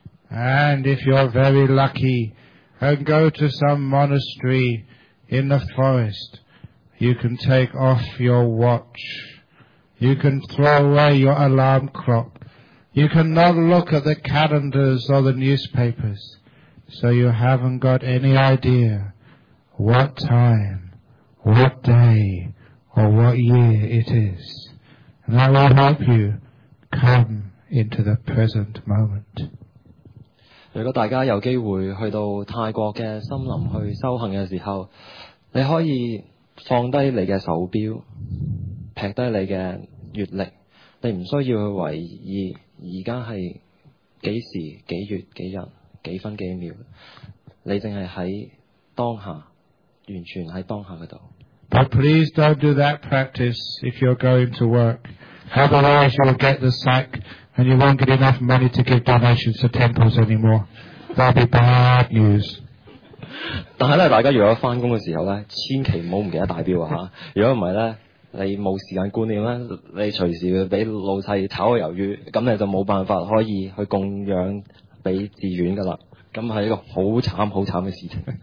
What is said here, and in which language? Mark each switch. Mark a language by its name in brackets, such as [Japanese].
[English] And if you're very lucky and go to some monastery in the forest, you can take off your watch. You can throw away your alarm clock. You cannot look at the calendars or the newspapers. So you haven't got any idea what time, what day, or what year it is. And I will help you come. Into the present moment. [Chinese] 如果大家有機會去到泰國的森林去修行的時候，你可以放低你的手錶，撇低你的月曆，你不需要去懷疑現在是幾時、幾月、幾日、幾分幾秒，你只是在當下，完全在當下那裡。 [English] But please don't do that practice if you're going to work. Otherwise you'll get the sack. And you won't get enough money to give donations to temples anymore. That'll be bad news. [Chinese] 但是大家如果翻工的時候千祈不要忘記帶錶，如果不是你沒有時間觀念，你隨時會被老闆炒個魷魚，那你就沒有辦法可以去供養給寺院的了，那是一個很慘很慘的事情。